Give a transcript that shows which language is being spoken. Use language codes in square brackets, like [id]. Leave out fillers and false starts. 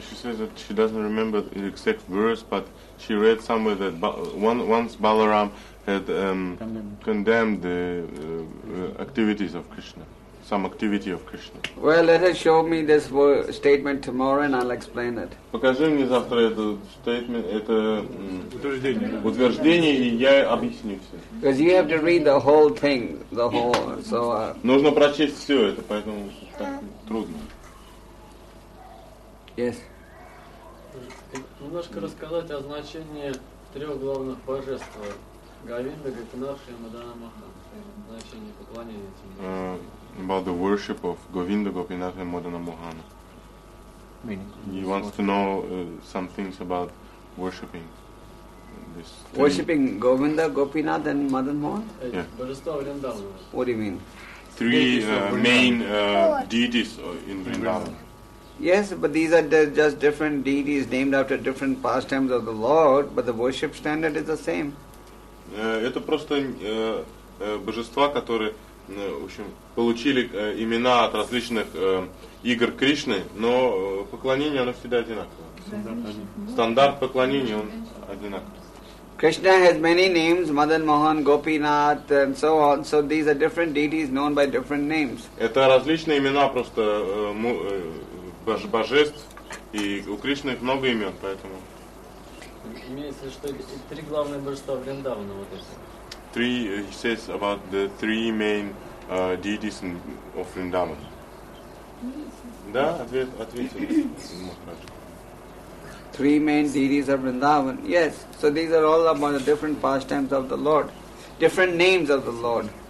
[en] She says that she doesn't remember the exact words, but she read somewhere that once Balaram had condemned the activities of Krishna, some activity of Krishna. Well, let her show me this statement tomorrow, and I'll explain it. [ru] Покажи мне завтра это statement, это утверждение, и я объясню все. [en] Because you have to read the whole thing, the whole. So. [ru] Нужно прочесть все это, поэтому так трудно. [en] Yes. [ru] Немножко рассказать о значении трех главных божеств. Говинда, Гопинатха и Мадана Махана. Значение поклонения этим. [en] About the worship of Govinda, Gopinatha and Madana Mohana. Meaning. He wants to know some things about worshipping. This worshipping Govinda, Gopinatha and Madana Mohana? Yeah. [ru] Божества Вриндавана. [en] What do you mean? Three main deities in Vrindavan. Yes, but these are just different deities named after different pastimes of the Lord, but the worship standard is the same. [ru] Это просто божества, которые, в общем, получили имена от различных игр Кришны, но поклонение оно всегда одинаковое. Стандарт поклонения он одинаковый. [en] Krishna has many names, Madan Mohan, Gopinath and so on. So these are different deities known by different names. [ru] Это различные имена просто божеств, и у Кришны много имен, поэтому... Имеется, что три главных божества Вриндавана вот эти. [en] Three, he says about the three main deities of Vrindavan. [ru] Да, ответили. [en] Three main deities of Vrindavan, yes. So these are all about the different pastimes of the Lord, different names of the Lord.